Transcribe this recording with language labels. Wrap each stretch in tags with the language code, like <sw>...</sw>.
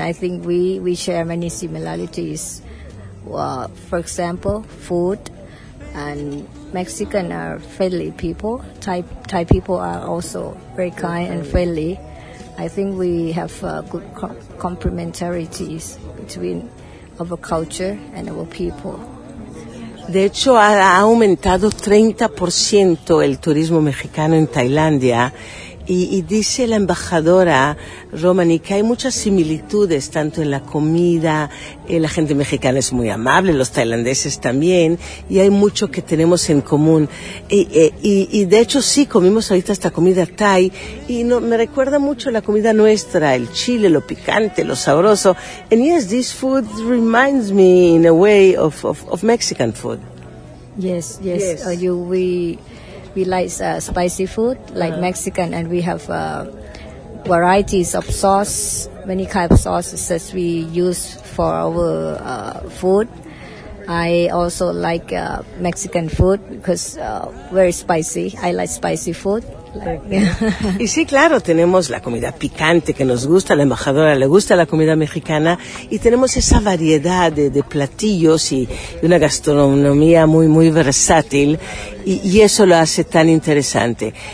<en>I think we share many similarities. For example, food, and Mexican are friendly people. Thai people are also very kind and friendly. I think we have good complementarities between our culture and our people.</en> <es>De hecho, ha aumentado 30% el turismo mexicano en Tailandia. Y dice la embajadora Romani que hay muchas similitudes, tanto en la comida, la gente mexicana es muy amable, los tailandeses también, y hay mucho que tenemos en común. Y de hecho sí, comimos ahorita esta comida Thai, y no, me recuerda mucho la comida nuestra, el chile, lo picante, lo sabroso.</es> <en>And yes, this food reminds me in a way of Mexican food. Yes. We like spicy food, like Mexican, and we have varieties of sauce, many kinds of sauces that we use for our food. I also like Mexican food because very spicy. I like spicy food.</en> <es>Y sí, claro, tenemos la comida picante que nos gusta, la embajadora le gusta la comida mexicana y tenemos esa variedad de platillos y una gastronomía muy, muy versátil y eso lo hace tan interesante.</es>